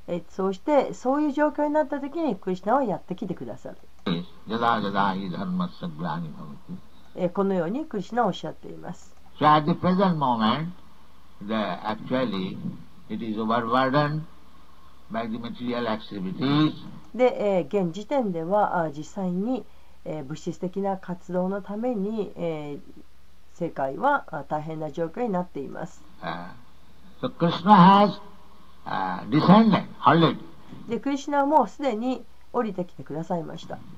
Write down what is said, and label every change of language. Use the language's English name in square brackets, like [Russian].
[Japanese] そしてそういう状況になった時にクリシュナはやってきてくださる。このようにクリシュナはおっしゃっています。 [English] So at the present moment, actually it is overburdened by the material activities. [Japanese] で、現時点では実際に物質的な活動のために世界は大変な状況になっています。 [English] So Krishna has descended already. [Japanese] で、クリシュナはもうすでに降りてきてくださいました。